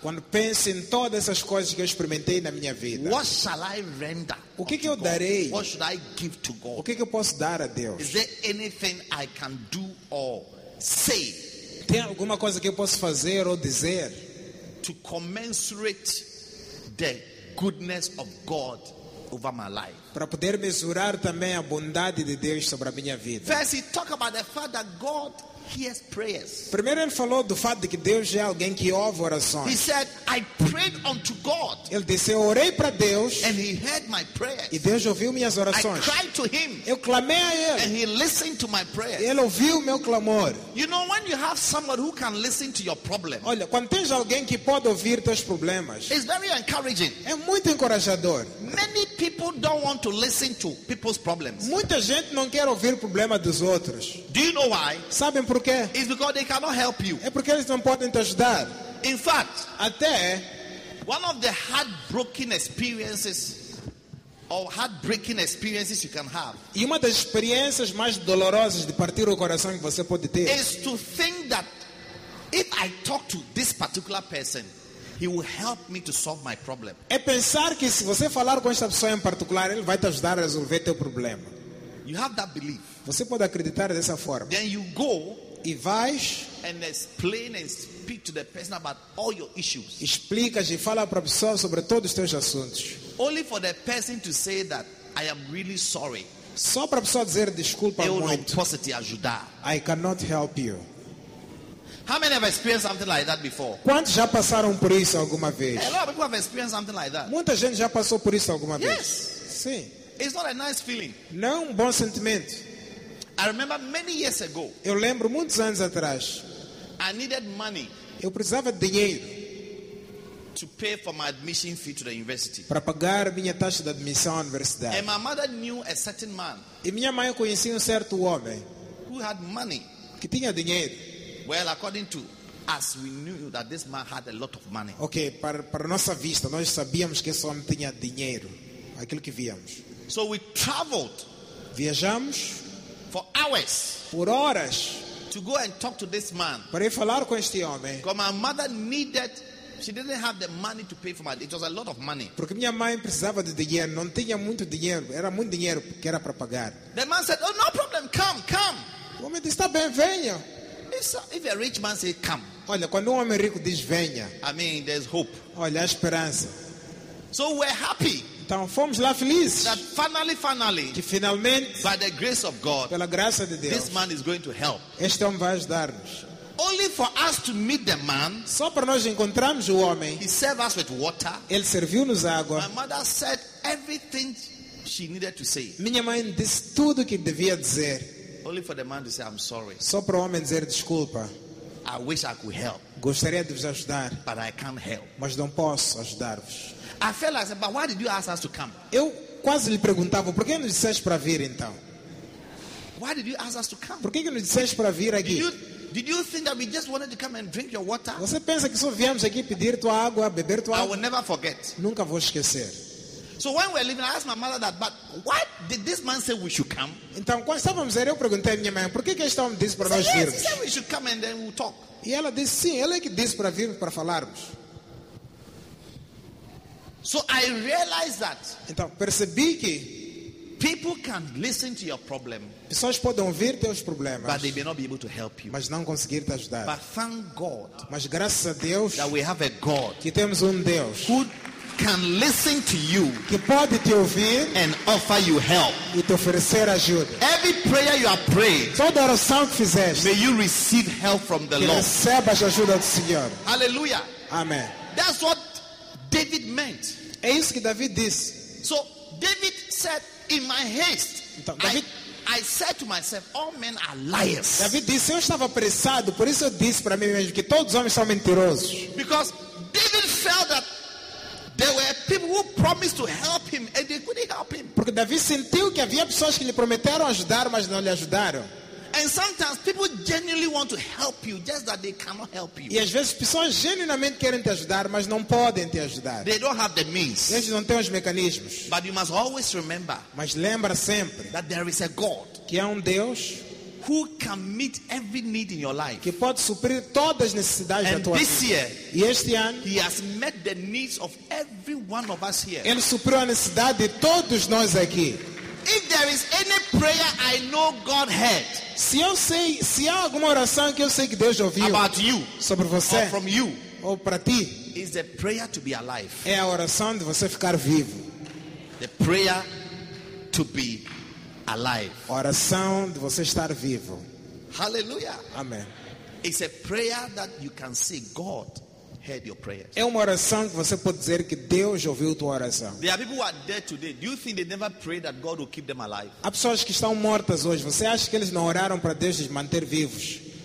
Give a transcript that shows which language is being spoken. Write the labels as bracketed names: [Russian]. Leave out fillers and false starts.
[Portuguese] Quando penso em todas essas coisas que eu experimentei na minha vida. [English] What shall I render? [Portuguese] O que eu darei? [English] What should I give to God? [Portuguese] O que eu posso dar a Deus? [English] Is there anything I can do or say? [Portuguese] Tem alguma coisa que eu posso fazer ou dizer? [English] To commensurate the goodness of God over my life. [Portuguese] Para poder mesurar também a bondade de Deus sobre a minha vida. [English] First, he talked about the fact that God hears prayers. [Portuguese] Primeiro ele falou do fato de que Deus é alguém que ouve orações. [English] He said, I prayed unto God. [Portuguese] Ele disse, eu orei para Deus. [English] And he heard my prayers. [Portuguese] E Deus ouviu minhas orações. [English] I cried to him. [Portuguese] Eu clamei a ele. [English] And he listened to my prayers. [Portuguese] E ele ouviu meu clamor. [English] You know, when you have someone who can listen to your problem. [Portuguese] Olha, quando tens alguém que pode ouvir teus problemas. [English] It's very encouraging. [Portuguese] É muito encorajador. [English] Many people don't want to listen to people's problems. [Portuguese] Muita gente não quer ouvir problema dos outros. [English] Do you know why? [Portuguese] Sabem por quê? [English] It's because they cannot help you. [Portuguese] É porque eles não podem te ajudar. [English] In fact, [Portuguese] até [English] one of the heartbroken experiences or heartbreaking experiences you can have. [Portuguese] E uma das experiências mais dolorosas de partir o coração que você pode ter. [English] Is to think that if I talk to this particular person, he will help me to solve my problem. [Portuguese] É pensar que se você falar com esta pessoa em particular, ele vai te ajudar a resolver teu problema. [English] You have that belief. [Portuguese] Você pode acreditar dessa forma. [English] Then you go [Portuguese] e vais [English] and explain and speak to the person about all your issues. [Portuguese] Explicas e fala para a pessoa sobre todos os teus assuntos. [English] Only for the person to say that I am really sorry. [Portuguese] Só para a pessoa dizer desculpa eu muito. Eu não posso te ajudar. [English] I cannot help you. How many have experienced something like that before? [Portuguese] Quantos já passaram por isso alguma vez? [English] A lot of people have experienced something like that. [Portuguese] Muita gente já passou por isso alguma [English] yes. [Portuguese] vez. Sim. [English] It's not a nice feeling. [Portuguese] Não um bom sentimento. [English] I remember many years ago. [Portuguese] Eu lembro muitos anos atrás. [English] I needed money. [Portuguese] Eu precisava de dinheiro. [English] To pay for my admission fee to the university. [Portuguese] Para pagar minha taxa de admissão à universidade. [English] And my mother knew a certain man. [Portuguese] E minha mãe conhecia certo homem. [English] Who had money. [Portuguese] Que tinha dinheiro. [English] Well, according to us, we knew that this man had a lot of money. [Portuguese] Okay, para nossa vista, nós sabíamos que esse homem tinha dinheiro, aquilo que víamos. [English] So we traveled. [Portuguese] Viajamos [English] for hours. [Portuguese] Por horas. [English] To go and talk to this man. [Portuguese] Para ir falar com este homem. [English] Because my mother needed, she didn't have the money to pay for my. It was a lot of money. [Portuguese] Porque minha mãe precisava de dinheiro, não tinha muito dinheiro, era muito dinheiro que era para pagar. [English] The man said, "Oh, no problem, come." [Portuguese] O homem disse, está bem, venha. [English] If a rich man says, come. [Portuguese] Olha, quando homem rico diz, venha. [English] I mean, there's hope. [Portuguese] Olha, há esperança. [English] So we're happy. [Portuguese] Então fomos lá felizes. [English] That finally. [Portuguese] Que finalmente. [English] By the grace of God. [Portuguese] Pela graça de Deus. [English] This man is going to help. [Portuguese] Este homem vai ajudar-nos. [English] Only for us to meet the man. [Portuguese] Só para nós encontrarmos o homem. [English] He served us with water. [Portuguese] Ele serviu-nos água. [English] My mother said everything she needed to say. [Portuguese] Minha mãe disse tudo o que devia dizer. [English] Only for the man to say, I'm sorry. [Portuguese] Só para o homem dizer desculpa. [English] I wish I could help. [Portuguese] Gostaria de vos ajudar. [English] But I can't help. [Portuguese] Mas não posso ajudar-vos. [English] I felt like, but why did you ask us to come? [Portuguese] Eu quase lhe perguntava, por que nos disseste para vir então? [English] Why did you ask us to come? [Portuguese] Por que nos disseste para vir aqui? [English] Did you think that we just wanted to come and drink your water? [Portuguese] Você pensa que só viemos aqui pedir tua água, beber tua água? [English] I will never forget. [Portuguese] Nunca vou esquecer. [English] So when we were leaving, I asked my mother that, but what did this man say we should come? [Portuguese] Então, quando estávamos aí, eu perguntei à minha mãe, por que este homem disse para nós virmos? [English] He said we should come and then we'll talk. [Portuguese] E ela disse, sim, ele é que disse para virmos para falarmos. [English] So I realized that. [Portuguese] Então, percebi que [English] people can listen to your problem. [Portuguese] Pessoas podem ouvir teus problemas. [English] But they may not be able to help you. [Portuguese] Mas não conseguir te ajudar. [English] But thank God. [Portuguese] Mas graças a Deus. [English] That we have a God. [Portuguese] Que temos Deus. [English] Who can listen to you. [Portuguese] Que pode te ouvir. [English] And offer you help. [Portuguese] E te oferecer ajuda. [English] Every prayer you are praying. [Portuguese] Toda oração que fizeste. [English] May you receive help from the [Portuguese] que [English] Lord. [Portuguese] Recebas ajuda do Senhor. Hallelujah. Amen. [English] That's what David meant. [Portuguese] É isso que David disse. [English] So David said, in my haste, [Portuguese] então, David, [English] I said to myself, all men are liars. [Portuguese] David disse, eu estava apressado, por isso eu disse para mim mesmo que todos os homens são mentirosos. [English] Because David felt that there were people who promised to help him and they couldn't help him. [Portuguese] Porque Davi sentiu que havia pessoas que lhe prometeram ajudar, mas não lhe ajudaram. [English] And sometimes people genuinely want to help you, just that they cannot help you. [Portuguese] E às vezes pessoas genuinamente querem te ajudar, mas não podem te ajudar. [English] They don't have the means. [Portuguese] Eles não têm os mecanismos. [English] But you must always remember. [Portuguese] Mas lembra sempre [English] that there is a God. [Portuguese] Que há Deus. [English] Who can meet every need in your life? [Portuguese] Que pode suprir todas as necessidades [English] and [Portuguese] da tua [English] this [Portuguese] vida. [English] Year, [Portuguese] e este ano, [English] He has met the needs of every one of us here. [Portuguese] Ele supriu a necessidade de todos nós aqui. [English] If there is any prayer I know God heard, [Portuguese] se eu sei, se há alguma oração que eu sei que Deus ouviu, [English] about you, [Portuguese] sobre você, [English] or from you, [Portuguese] ou para ti, [English] is the prayer to be alive. [Portuguese] É a oração de você ficar vivo. [English] The prayer to be alive. [Portuguese] Oração de você estar vivo. Hallelujah. Amen. [English] It's a prayer that you can say God heard your prayer. [Portuguese] É uma oração que você pode dizer que Deus ouviu tua oração. [English] There are people who are dead today. Do you think they never prayed that God will keep them alive? [Portuguese] Há pessoas que estão mortas hoje. Você acha que eles não oraram para Deus os manter vivos?